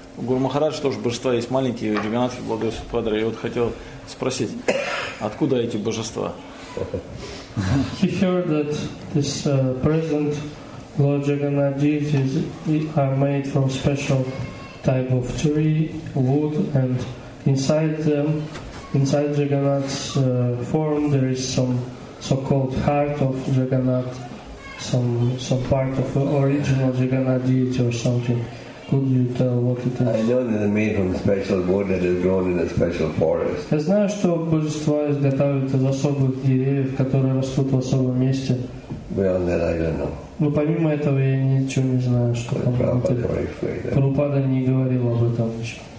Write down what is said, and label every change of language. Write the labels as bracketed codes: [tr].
[ru] У Гуру Махарадж тоже божества есть маленькие, Джаганнатхи, Благодарю Субхадра. Я вот хотел спросить, откуда эти божества? [en] He heard that this present Lord Jagannath is are made from special type of tree, wood, and inside them, inside Jagannath's form, there is some so-called heart of Jagannath, some part of original Jagannath deity or something. Could you tell what it is? I know that it's made from special wood that is grown in a special forest. [ru] Я знаю, что божества изготавливают из особых деревьев, которые растут в особом месте. [en] Beyond that, I don't know. [ru] Но помимо этого я ничего не знаю, что там будет. Прабхупада не говорил об этом еще.